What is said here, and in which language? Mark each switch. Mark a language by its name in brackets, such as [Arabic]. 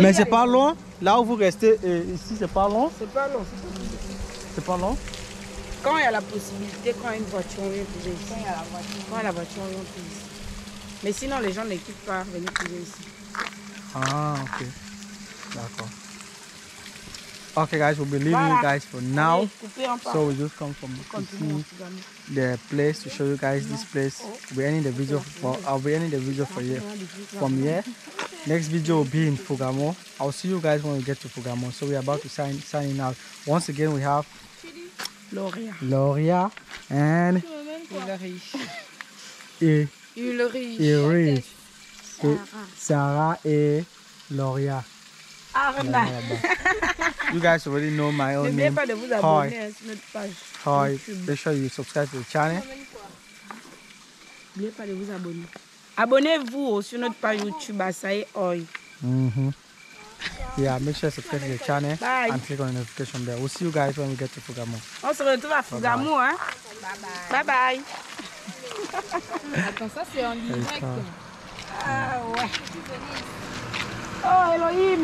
[French] mais c'est pas long, là où vous restez, ici c'est pas long. C'est pas long, c'est pas long. C'est pas long. Quand il y a la possibilité, quand une voiture on vient puiser ici. Quand il y a la voiture, quand la voiture on vient puiser. Mais sinon les gens ne quittent pas, venez puiser ici. Ah ok, d'accord. [English] Okay guys, we'll be leaving you guys for now. So we just come from the place to show you guys this place. I'll be ending the video for you from here. Next video will be in Fugamo. I'll see you guys when we get to Fugamo. So we're about to sign out. Once again we have Loria and Ulrich. Sarah and Loria. You guys already know my own name. Hi. Hi. Make sure you subscribe to the channel. [French] N'oubliez pas de vous abonner. Abonnez-vous sur notre page YouTube Acai Oi. Mm-hmm. [English] Yeah, make sure you subscribe to the channel. Bye. And click on the notification bell. We'll see you guys when we get to Fugamo. [French] On se retrouve à Fugamo, hein? [English] Bye bye. Bye bye. [French] Attends, ça c'est en direct. Ah ouais. Oh Elohim!